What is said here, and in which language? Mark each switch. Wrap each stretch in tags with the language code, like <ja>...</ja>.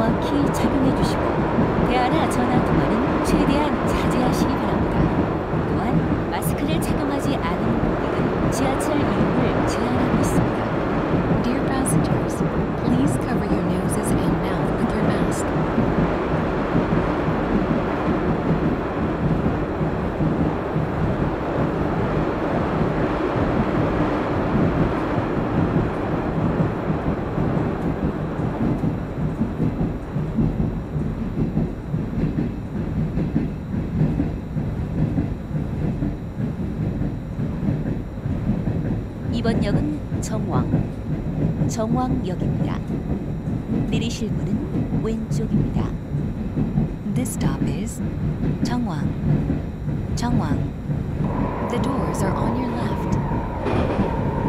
<ko>열심히 착용해 주시고 대화나 전화 통화는 최대한 자제하시기 바랍니다. 또한 마스크를 착용하지 않은 고객은 지하철 이용을 제한하고 있습니다.</ko> <en>Dear passengers, please cover your noses and mouth with your mask.</en> <ko>이번 역은 정왕. 정왕역입니다. 내리실 문은 왼쪽입니다.</ko> <en>This stop is 정왕. 정왕. The doors are on your left.</en>